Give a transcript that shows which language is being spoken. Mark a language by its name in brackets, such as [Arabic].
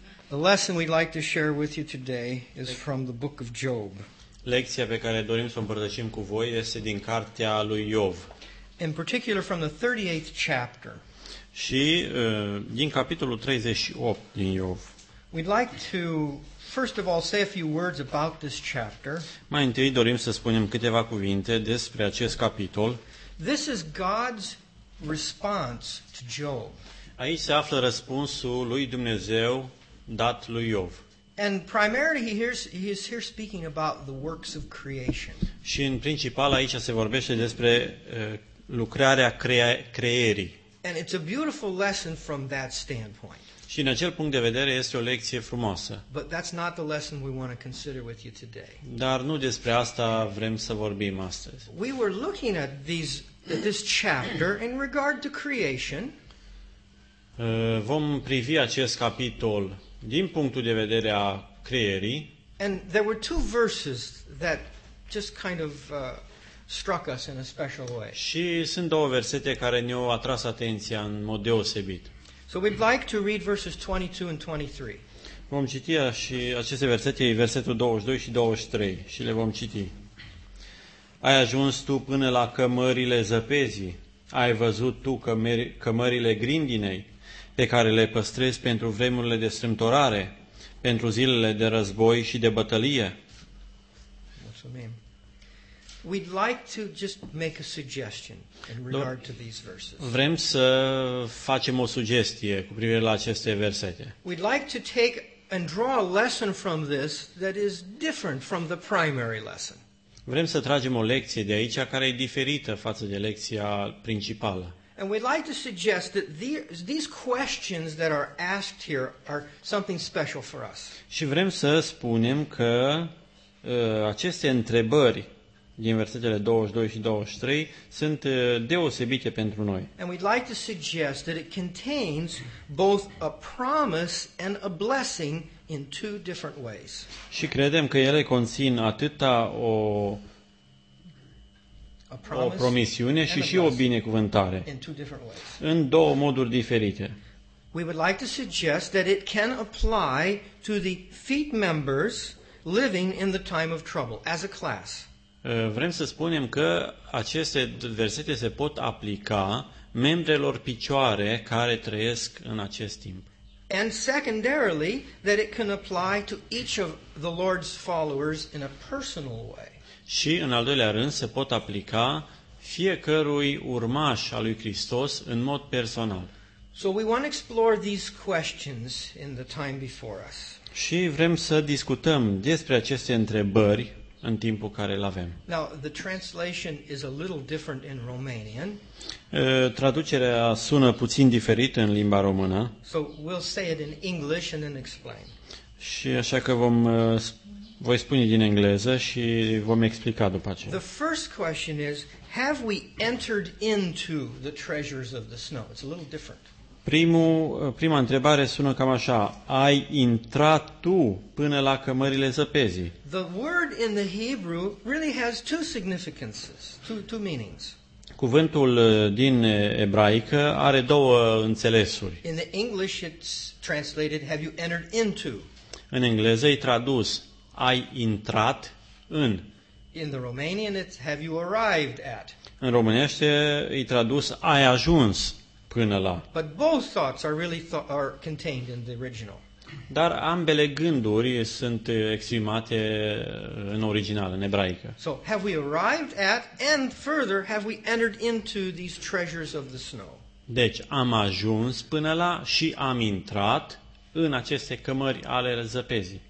[English] The lesson we'd like to share with you today is from the book of Job. [Romanian] Lecția pe care dorim să o împărtășim cu voi este din cartea lui Iov. [English] In particular from the 38th chapter. [Romanian] Și din capitolul 38 din Iov. [English] We'd like to first of all say a few words about this chapter. [Romanian] Mai întâi dorim să spunem câteva cuvinte despre acest capitol. [English] This is God's response to Job. [Romanian] Aici se află răspunsul lui Dumnezeu dat lui Iov. [English] And primarily he is here speaking about the works of creation. [Romanian] Și în principal aici se vorbește despre lucrarea creierii. [English] And it's a beautiful lesson from that standpoint. [Romanian] Și în acel punct de vedere este o lecție frumoasă. [English] But that's not the lesson we want to consider with you today. [Romanian] Dar nu despre asta vrem să vorbim astăzi. [English] We were looking at this chapter in regard to creation. [Romanian] Vom privi acest capitol din punctul de vedere a creierii. [English] And there were two verses that just kind of struck us in a special way. [Romanian] Și sunt două versete care ne-au atras atenția în mod deosebit. [English] So we'd like to read verses 22 and 23. [Romanian] Vom citi și aceste versete, versetul 22 și 23, și le vom citi. Ai ajuns tu până la cămările zăpezii? Ai văzut tu cămările grindinei pe care le păstrezi pentru vremurile de strâmtorare, pentru zilele de război și de bătălie? Mulțumim. [English] We'd like to just make a suggestion in regard to these verses. [Romanian] Vrem să facem o sugestie cu privire la aceste versete. [English] We'd like to take and draw a lesson from this that is different from the primary lesson. [Romanian] Vrem să tragem o lecție de aici care e diferită față de lecția principală. [English] And we'd like to suggest that these questions that are asked here are something special for us. [Romanian] Și vrem să spunem că aceste întrebări din versetele 22 și 23 sunt deosebite pentru noi. [English] And we'd like to suggest that it contains both a promise and a blessing in two different ways. [Romanian] Și credem că ele conțin atâta o promisiune și și o binecuvântare în două moduri diferite. [English] We would like to suggest that it can apply to the feet members living in the time of trouble as a class. [Romanian] Vrem să spunem că aceste versete se pot aplica membrelor picioare care trăiesc în acest timp. [English] And secondarily, that it can apply to each of the Lord's followers in a personal way. [Romanian] Și în al doilea rând se pot aplica fiecărui urmaș al lui Hristos în mod personal. [English] So we want to explore these questions in the time before us. [Romanian] Și vrem să discutăm despre aceste întrebări în timpul care îl avem. [English] Now, the translation is a little different in Romanian. [Romanian] Traducerea sună puțin diferit în limba română. [English] So we'll say it in English and then explain. [Romanian] Și așa că voi spune din engleză și vom explica după aceea. [English] The first question is, have we entered into the treasures of the snow? It's a little different. [Romanian] Prima întrebare sună cam așa: ai intrat tu până la cămările zăpezii? [English] The word in the Hebrew really has two significances, two meanings. [Romanian] Cuvântul din ebraică are două înțelesuri. [English] In the English it's translated, have you entered into? [Romanian] În engleză e tradus, ai intrat în. [English] In the Romanian it's have you arrived at? [Romanian] În românește e tradus, ai ajuns până la. [English] But both thoughts are really are contained in the original. [Romanian] Dar ambele gânduri sunt exprimate în original, în ebraică. [English] So, have we arrived at and further have we entered into these treasures of the snow? [Romanian] Deci, am ajuns până la și am intrat în aceste cămări ale zăpezii.